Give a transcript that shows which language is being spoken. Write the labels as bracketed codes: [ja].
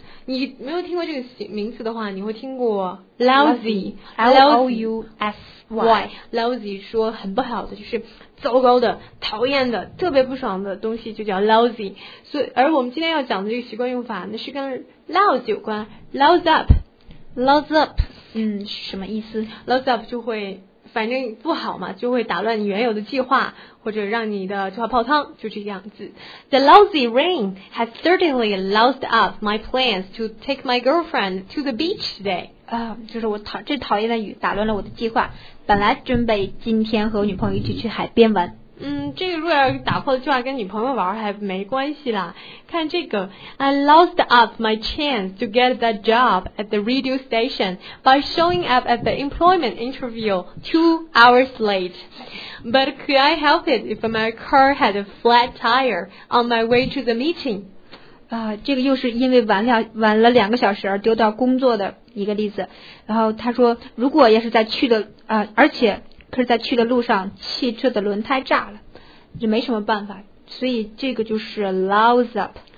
[zh] 你没有听过这个名词的话，你会听过 lousy，lousy，lousy， 说很不好的，就是糟糕的、讨厌的、特别不爽的东西，就叫 lousy。所以，而我们今天要讲的这个习惯用法，那是跟 louse 有关 ，louse up，louse up，嗯，什么意思 ？Loads up 就会反正不好嘛，就会打乱你原有的计划，或者让你的计划泡汤，就这样子。 [en] The lousy rain has certainly loused up my plans to take my girlfriend to the beach today. [zh] 就是我讨厌的雨打乱了我的计划，本来准备今天和女朋友一起去海边玩。这个如果要打破的计划跟女朋友玩还没关系啦。看这个 [en] I lost up my chance to get the job at the radio station by showing up at the employment interview 2 hours late. But could I help it if my car had a flat tire on my way to the meeting? [zh] 这个又是因为晚了两个小时而丢掉工作的一个例子。然后他说如果要是在去的而且可是在去的路上汽车的轮胎炸了，就没什么办法，所以这个就是 louse up